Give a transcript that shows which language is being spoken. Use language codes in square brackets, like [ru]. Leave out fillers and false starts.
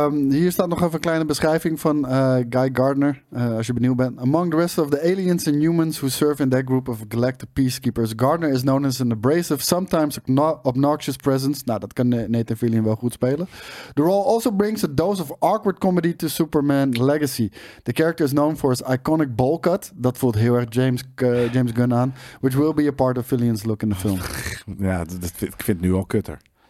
[nl] Hier staat nog even een kleine beschrijving van Guy Gardner, als je benieuwd bent. [en] Among the rest of the aliens and humans who serve in that group of galactic peacekeepers, Gardner is known as an abrasive, sometimes obnoxious presence. [nl] Nou, dat kan Nathan Fillion wel goed spelen. [en] The role also brings a dose of awkward comedy to Superman Legacy. The character is known for his iconic bowl cut. [nl] Dat voelt heel erg James Gunn aan. [en] Which will be a part of Fillion's look in the film. [nl] Ja, ik vind het nu al kutter.